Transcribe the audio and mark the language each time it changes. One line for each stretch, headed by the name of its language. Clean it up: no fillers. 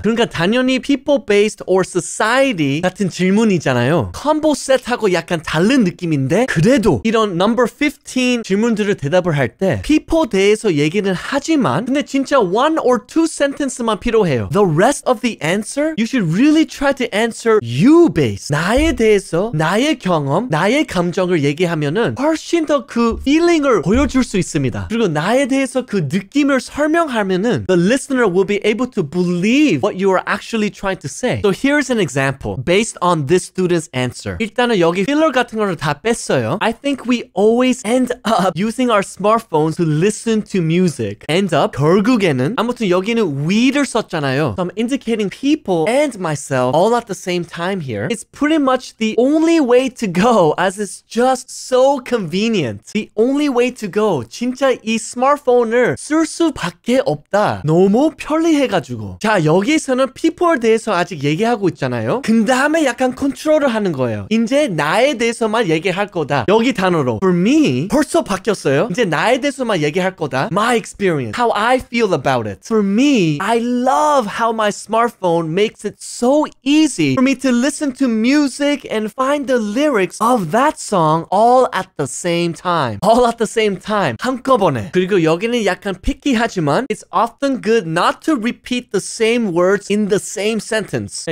Korean: 그러니까 당연히 people based or society 같은 질문이잖아요. combo set하고 약간 다른 느낌인데 그래도 이런 number 15 질문들을 대답을 할 때 people 대해서 얘기는 하지만 근데 진짜 one or two sentence만 필요해요.
English: The rest of the answer you should really try to answer you based.
Korean: 나에 대해서 나의 경험 나의 감정을 얘기하면은 훨씬 더 그 feeling을 보여줄 수 있습니다. 그리고 나에 대해서 그 느낌을 설명하면은
English: the listener will be able to believe what you are actually trying to say. So here's an example based on this student's answer.
Korean: 일단은 여기 filler 같은 거를 다 뺐어요.
English: I think we always end up using our smartphones to listen to music.
Korean: End up 결국에는 아무튼 여기는 we를 썼잖아요.
English: So I'm indicating people and myself all at the same time here. It's pretty much the only way to go as it's just so convenient. The only way to go.
Korean: 진짜 이 스마트폰을 쓸 수밖에 없다. 너무 편리해가지고. 자, 여기에서는 people에 대해서 아직 얘기하고 있잖아요. 그 다음에 약간 컨트롤을 하는 거예요. 이제 나에 대해서만 얘기할 거다. 여기 단어로.
English: For me,
Korean: 벌써 바뀌었어요. 이제 나에 대해서만 얘기할 거다.
English: My experience. How I feel about it. For me, I love how my smartphone makes it so easy for me to listen to music and find the lyrics of that song all at the same time. All at the same time.
Korean: 한꺼번에. 그리고 여기는 약간 picky 하지만
English: it's often good not to repeat the same words in the same sentence.